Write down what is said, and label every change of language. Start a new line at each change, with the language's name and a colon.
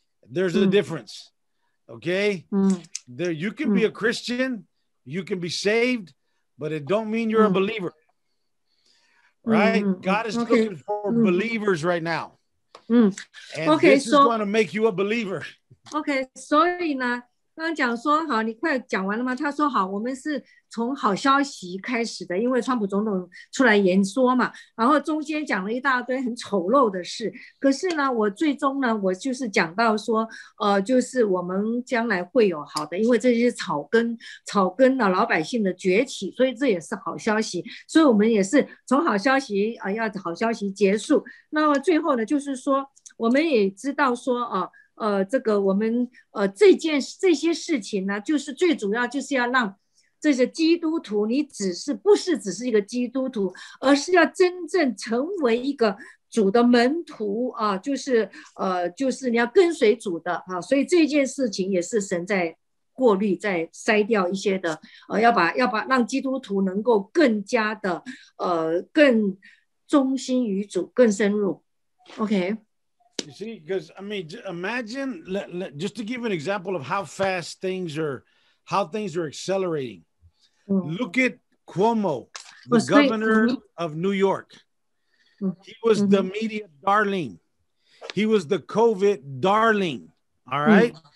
English: There's a difference, okay? Mm-hmm. There, you can be a Christian, you can be saved, but it don't mean you're a believer, right? Mm-hmm. God is looking for believers right now. Mm-hmm. And is going to make you a believer. Okay, so,
Chinese: 刚讲说好，你快讲完了吗？他说好，我们是从好消息开始的，因为川普总统出来演说嘛，然后中间讲了一大堆很丑陋的事。可是呢，我最终呢，我就是讲到说，就是我们将来会有好的，因为这些草根的老百姓的崛起，所以这也是好消息。所以我们也是从好消息要好消息结束。那么最后呢，就是说我们也知道说这个我们这些事情呢，就是最主要就是要让这些基督徒，你只是一个基督徒，而是要真正成为一个主的门徒啊，就是你要跟随主的啊，所以这件事情也是神在过滤，在筛掉一些的，要把让基督徒能够更加的更忠心于主，更深入 ，OK。
English: You see, because I mean, imagine, just to give an example of how things are accelerating. Look at Cuomo, the governor of New York. He was the media darling. He was the COVID darling. All right.